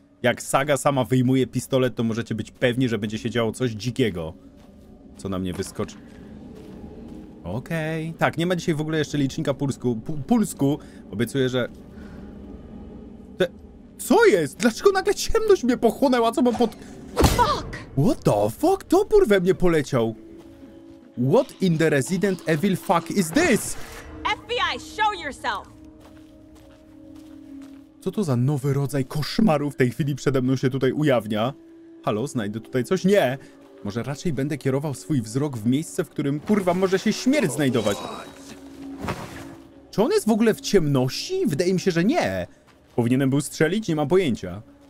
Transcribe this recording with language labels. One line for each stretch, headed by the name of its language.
Polish: Jak Saga sama wyjmuje pistolet, to możecie być pewni, że będzie się działo coś dzikiego. Co na mnie wyskoczy... Okej. Tak, nie ma dzisiaj w ogóle jeszcze licznika pulsku. Pulsku. Obiecuję, że... Co jest? Dlaczego nagle ciemność mnie pochłonęła? Co mam pod...
English: Fuck! What the fuck?
Polish: Topór we mnie poleciał.
English: What in the Resident Evil fuck is this? FBI, show yourself!
Polish: Co to za nowy rodzaj koszmaru w tej chwili przede mną się tutaj ujawnia? Halo, znajdę tutaj coś? Nie! Może raczej będę kierował swój wzrok w miejsce, w którym, kurwa, może się śmierć znajdować. Czy on jest w ogóle w ciemności? Wydaje mi się, że nie. Powinienem był strzelić? Nie mam pojęcia.